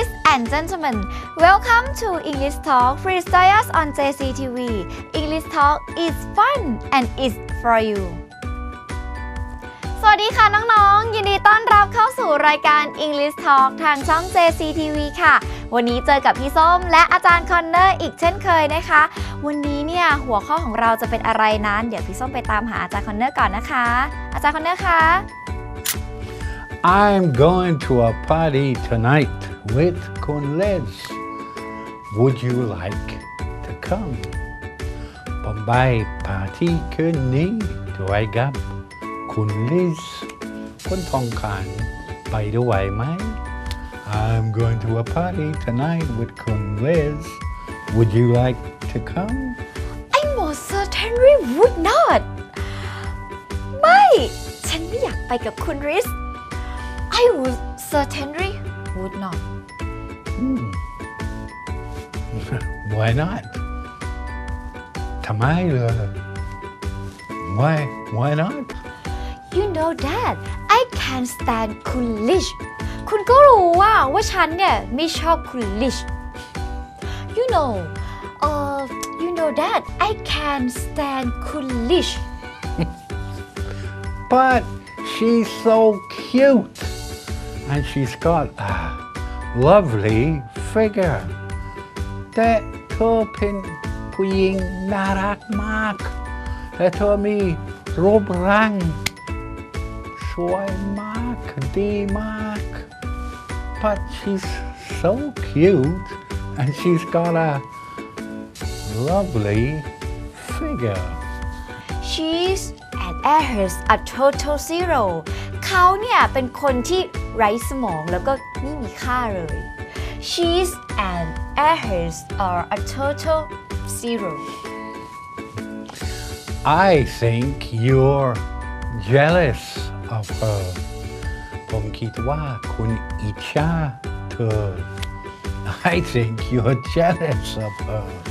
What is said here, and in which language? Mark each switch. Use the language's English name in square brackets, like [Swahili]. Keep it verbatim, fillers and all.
[English] and gentlemen, welcome to English Talk Freestyles on เจ ซี ที วี. English Talk is fun and is for you. [Thai] สวัสดีค่ะน้องๆยินดีต้อนรับเข้าสู่รายการ English Talk ทางช่อง เจ ซี ที วี ค่ะวันนี้เจอกับพี่ส้มและอาจารย์คอนเนอร์อีกเช่นเคยนะคะวันนี้เนี่ยหัวข้อของเราจะเป็นอะไรนั้นเดี๋ยวพี่ส้มไปตามหาอาจารย์คอนเนอร์ก่อนนะคะอาจารย์คอนเนอร์คะ [English] I'm going to a party tonight with colleagues. Would you like to come? [Thai] ผมไปปาร์ตี้คืนนี้ด้วยกับคุณลิสคุณทองขานไปด้วยไหม [English] I'm going to a party tonight with colleagues. Would you like to come? I most certainly would not. [Thai] ไม่ฉันไม่อยากไปกับคุณลิส [English] I would certainly would not. Hmm. Why not? [Thai] ทำไมล่ะ [English] Why? Why not? You know that I can't stand coolish. [Thai] คุณก็รู้ว่าว่าฉันเนี่ยไม่ชอบ coolish. [English] You know, uh, you know that I can't stand coolish. But she's so cute. And she's got a lovely figure. [Thai] That เธอเป็นผู้หญิงน่ารักมากและเธอมีรูปร่างสวยมากดีมาก [English] But she's so cute and she's got a lovely figure. She's and hers a total zero. [Thai] เขาเนี่ยเป็นคนที่ไร้สมองแล้วก็ไม่มีค่าเลย [English] She's and hers are a total zero. I think you're jealous of her. [Thai] ผมคิดว่าคุณอิจฉาเธอ [English] I think you're jealous of her.